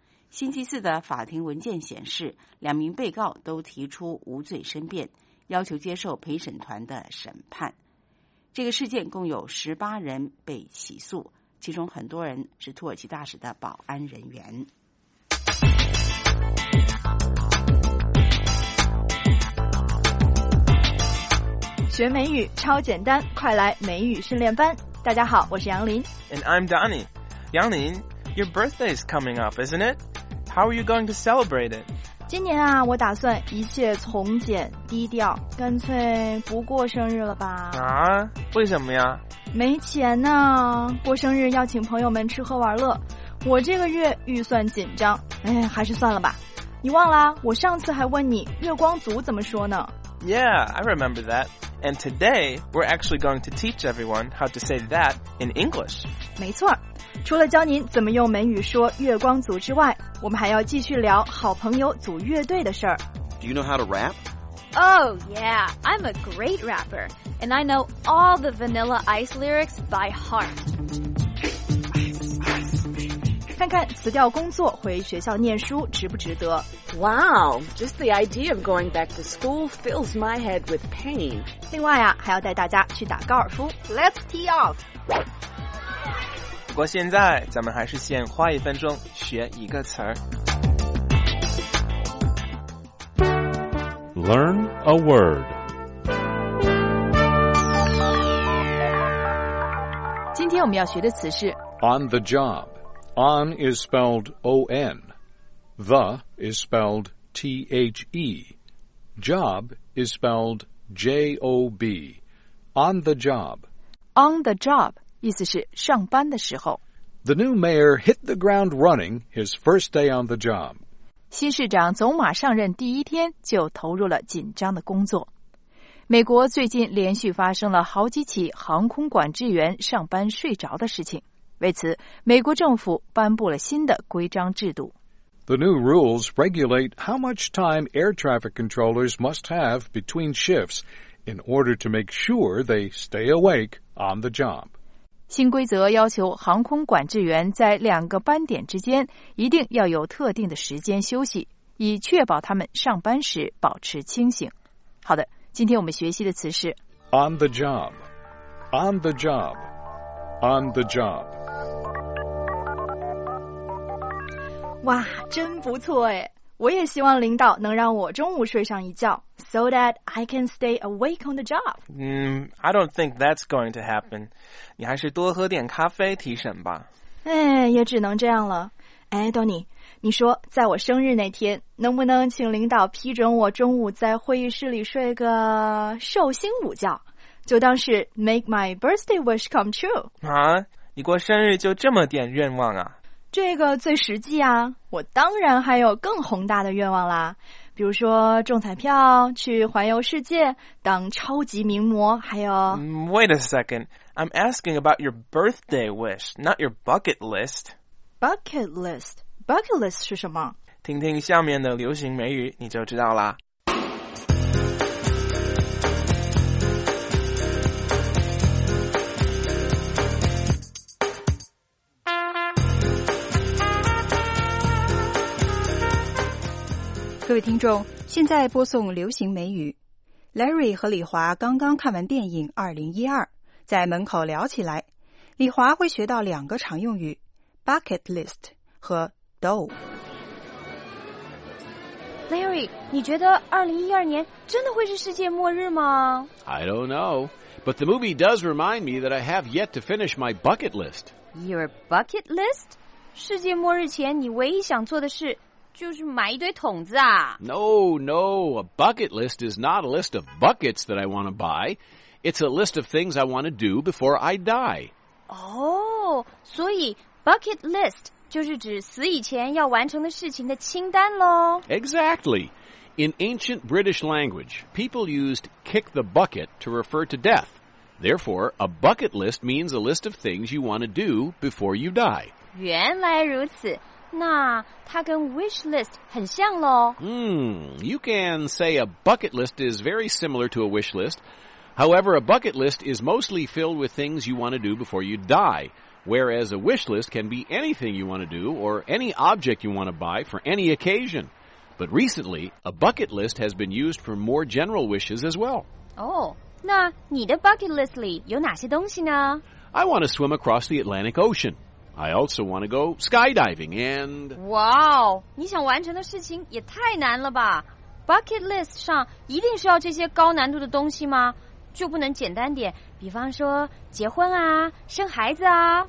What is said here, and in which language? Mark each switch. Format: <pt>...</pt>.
<zh>星期四的法庭文件显示，两名被告都提出无罪申辩，要求接受陪审团的审判。这个事件共有18人被起诉，其中很多人是土耳其大使的保安人员。学美语超简单，快来美语训练班。大家好，我是杨林。</zh> <en>And I'm Donny. 杨林， your birthday is coming up, isn't it? How are you going to celebrate it?</en> <zh>今年啊，我打算一切从简低调，干脆不过生日了吧。啊，为什么呀？没钱呢，过生日要请朋友们吃喝玩乐，我这个月预算紧张，哎，还是算了吧。你忘了，我上次还问你月光族怎么说呢？</zh> <en>Yeah, I remember that. And today, we're actually going to teach everyone how to say that in English.</en> <zh>没错，除了教您怎么用美语说月光族之外，我们还要继续聊好朋友组乐队的事儿。</zh> <en>Do you know how to rap? Oh, yeah, I'm a great rapper. And I know all the Vanilla Ice lyrics by heart.</en> <zh>看看辞掉工作回学校念书值不值得。</zh> <en>Wow, just the idea of going back to school fills my head with pain.</en> <zh>另外啊，还要带大家去打高尔夫。</zh> <en>Let's tee off.</en> <zh>不过现在咱们还是先花一分钟学一个词儿。</zh> <en>Learn a word.</en> <zh>今天我们要学的词是</zh> <en>on the job. On is spelled O-N. The is spelled T-H-E. Job is spelled J-O-B. On the job. On the job,</en> <zh>意思是上班的时候。</zh> <en>The new mayor hit the ground running his first day on the job.</en> <zh>新市长走马上任第一天就投入了紧张的工作。美国最近连续发生了好几起航空管制员上班睡着的事情。为此，美国政府颁布了新的规章制度。</zh> <en>The new rules regulate how much time air traffic controllers must have between shifts in order to make sure they stay awake on the job.</en> <zh>新规则要求航空管制员在两个班点之间一定要有特定的时间休息，以确保他们上班时保持清醒。好的，今天我们学习的词是</zh> <en>on the job, on the job, on the job.</en> <zh>哇，真不错哎！我也希望领导能让我中午睡上一觉 ，</zh> <en>so that I can stay awake on the job. I don't think that's going to happen.</en> <zh>你还是多喝点咖啡提神吧。哎，也只能这样了。哎 ，Donny， 你说在我生日那天，能不能请领导批准我中午在会议室里睡个寿星午觉，就当是</zh> <en>make my birthday wish come true？</en> <zh>啊，你过生日就这么点愿望啊？这个最实际啊，我当然还有更宏大的愿望啦，比如说中彩票，去环游世界，当超级名模，还有</zh> <en>Wait a second, I'm asking about your birthday wish, not your bucket list. Bucket list? Bucket list</en> <zh>是什么？听听下面的流行美语你就知道啦。各位听众，现在播送流行美语。 Larry 和李华刚刚看完电影2012，在门口聊起来，李华会学到两个常用语 bucket list 和 dough。 Larry， 你觉得2012年真的会是世界末日吗？</zh> <en>I don't know, but the movie does remind me that I have yet to finish my bucket list. Your bucket list?</en> <zh>世界末日前你唯一想做的事就是买一堆桶子啊。</zh> <en>No, no, a bucket list is not a list of buckets that I want to buy. It's a list of things I want to do before I die.</en> <zh>Oh, 所以 bucket list 就是指死以前要完成的事情的清单咯。</zh> <en>Exactly. In ancient British language, people used kick the bucket to refer to death. Therefore, a bucket list means a list of things you want to do before you die.</en> <zh>原来如此。那它跟 wish list 很像咯。</zh> <en>You can say a bucket list is very similar to a wish list. However, a bucket list is mostly filled with things you want to do before you die, whereas a wish list can be anything you want to do or any object you want to buy for any occasion. But recently, a bucket list has been used for more general wishes as well.</en> <zh>Oh, 那你的 bucket list 里有哪些东西呢？</zh> <en>I want to swim across the Atlantic Ocean. I also want to go skydiving and...</en> <zh>Wow, 你想完成的事情也太难了吧。 Bucket list 上一定是要这些高难度的东西吗？就不能简单点，比方说结婚啊，生孩子啊。</zh>